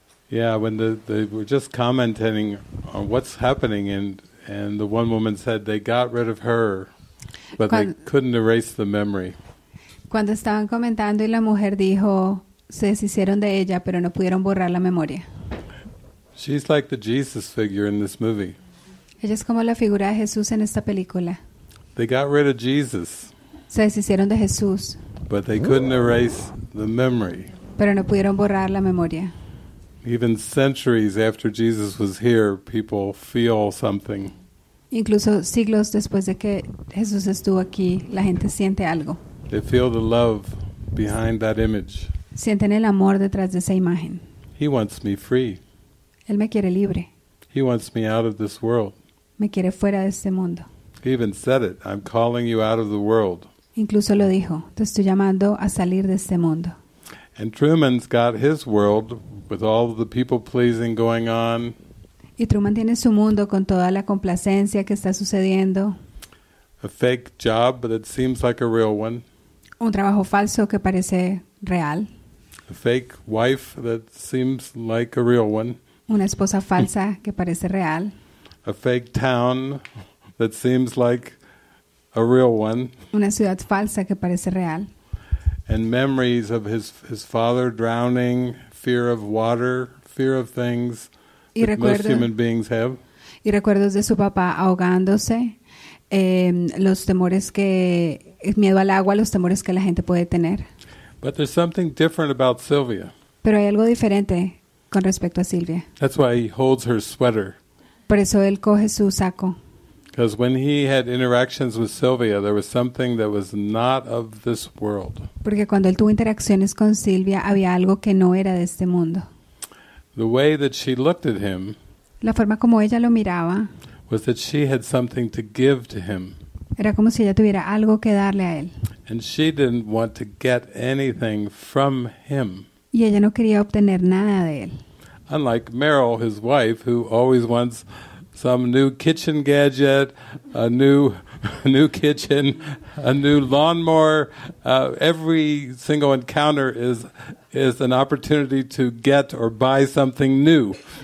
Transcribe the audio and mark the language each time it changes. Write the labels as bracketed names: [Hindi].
[English] Yeah, when they were just commenting on what's happening and the one woman said they got rid of her, but they couldn't erase the memory. [Spanish] Cuando estaban comentando y la mujer dijo, se deshicieron de ella, pero no pudieron borrar la memoria. [English] She's like the Jesus figure in this movie. [Spanish] Ella es como la figura de Jesús en esta película. [English] They got rid of Jesus. [Spanish] Se deshicieron de Jesús. [English] But they couldn't erase the memory. [Spanish] Pero no pudieron borrar la memoria. [English] Even centuries after Jesus was here, people feel something. [Spanish] Incluso siglos después de que Jesús estuvo aquí, la gente siente algo. [English] They feel the love behind that image. [Spanish] Sienten el amor detrás de esa imagen. [English] He wants me free. [Spanish] Él me quiere libre. [English] He wants me out of this world. [Spanish] Me quiere fuera de este mundo. [English] He even said it, I'm calling you out of the world. [Spanish] Incluso lo dijo, te estoy llamando a salir de este mundo. [English] And Truman's got his world with all the people pleasing going on. [Spanish] Y Truman tiene su mundo con toda la complacencia que está sucediendo. [English] a fake job, but it seems like a real one. [Spanish] Un trabajo falso que parece real. [English] A fake wife that seems like a real one. [Spanish] Una esposa falsa que parece real. [English] A fake town that seems like a real one. [Spanish] Una ciudad falsa que parece real. [English] And memories of his father drowning, fear of water, fear of things that most human beings have. [Spanish] Y recuerdos de su papá ahogándose, los temores que, miedo al agua, los temores que la gente puede tener. [English] But there's something different about Sylvia. [Spanish] Pero hay algo diferente con respecto a Silvia. [English] That's why he holds her sweater. [Spanish] Por eso él coge su saco. [English] Because when he had interactions with Sylvia, there was something that was not of this world. [Spanish] Porque cuando él tuvo interacciones con Silvia, había algo que no era de este mundo. [English] The way that she looked at him, [Spanish] la forma como ella lo miraba, [English] was that she had something to give to him. [Spanish] Era como si ella tuviera algo que darle a él. [English] And she didn't want to get anything from him. [Spanish] Y ella no quería obtener nada de él. [English] Unlike Meryl, his wife, who always wants some new kitchen gadget, a new kitchen, a new lawnmower. Every single encounter is an opportunity to get or buy something new.